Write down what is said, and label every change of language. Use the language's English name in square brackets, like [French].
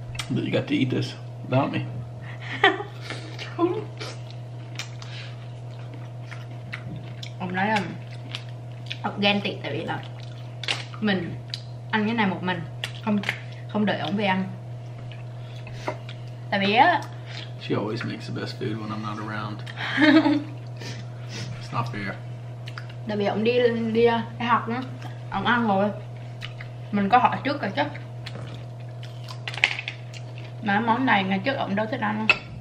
[English] That you got to eat this without me. [Vietnamese] Ông nói là ông ghen tị tại vì là mình ăn cái này một mình, không đợi ông về ăn. Tại vì á. [English] She always makes the best food when I'm not around. It's not fair. [Vietnamese] Tại vì ông đi học nữa, ông ăn rồi. Mình có hỏi trước rồi chứ. Mà món này ngày trước ổng đâu thích ăn không?